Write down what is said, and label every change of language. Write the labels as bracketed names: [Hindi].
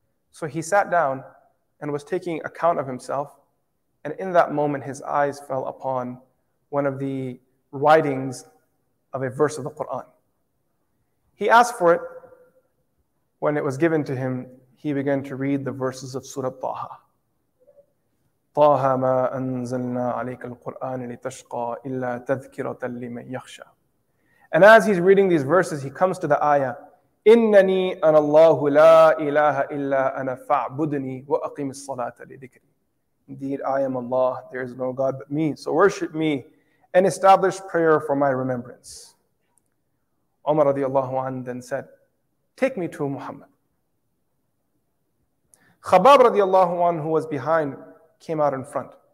[English] So he sat down and was taking account of himself. And in that moment, his eyes fell upon one of the writings of a verse of the Quran. He asked for it. When it was given to him, he began to read the verses of Surah Taha. [Arabic] طه ما أنزلنا عليك القرآن لتشقى إلا تذكرة لمن يخشى. [English] And as he's reading these verses, he comes to the ayah. [Arabic] إنني أنا الله لا إله إلا أنا فاعبدني وأقيم الصلاة لذكري. [English] Indeed, I am Allah. There is no God but me. So worship me and establish prayer for my remembrance. Umar رضي الله عنه then said, take me to Muhammad. Khabbab رضي الله عنه, who was behind, came out in front.